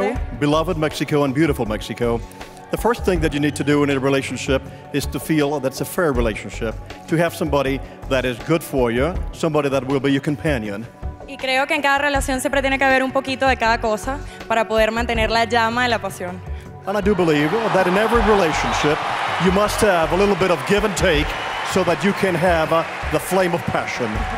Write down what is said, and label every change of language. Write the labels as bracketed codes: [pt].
[en] Mexico, beloved Mexico and beautiful Mexico, the first thing that you need to do in a relationship is to feel that it's a fair relationship, to have somebody that is good for you, somebody that will be your companion. [es] Y creo que en cada relación siempre tiene que haber un poquito de cada cosa para poder mantener la llama de la pasión. [en] And I do believe that in every relationship, you must have a little bit of give and take so that you can have the flame of passion.